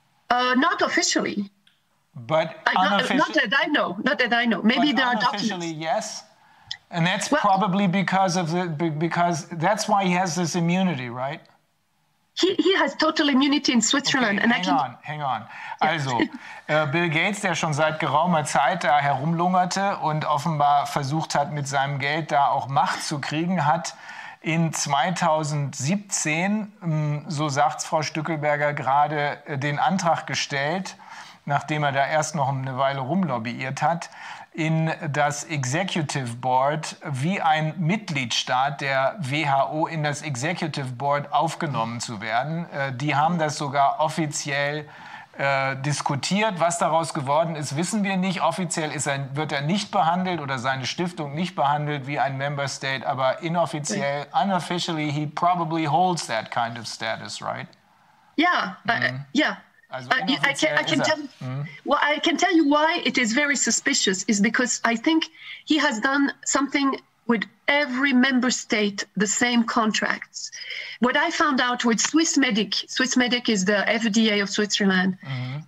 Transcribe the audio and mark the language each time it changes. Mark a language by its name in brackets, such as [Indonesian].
[English] Not officially, but not that I know. Maybe but there are documents. Officially, yes, and that's probably because of the because that's why he has this immunity, right? He has total immunity in Switzerland. Okay, hang on. [German] Also, Bill Gates, der schon seit geraumer Zeit da herumlungerte und offenbar versucht hat, mit seinem Geld da auch Macht zu kriegen, hat in 2017, so sagt es Frau Stückelberger gerade, den Antrag gestellt, nachdem er da erst noch eine Weile rumlobbyiert hat, in das Executive Board wie ein Mitgliedstaat der WHO in das Executive Board aufgenommen zu werden. Die haben das sogar offiziell diskutiert. Was daraus geworden ist, wissen wir nicht. Offiziell wird er nicht behandelt oder seine Stiftung nicht behandelt wie ein Member State, aber inoffiziell, [English] unofficially, he probably holds that kind of status, right? Yeah, yeah. I can tell you why it is very suspicious is because I think he has done something with every member state, the same contracts. What I found out with Swissmedic is the FDA of Switzerland, mm-hmm.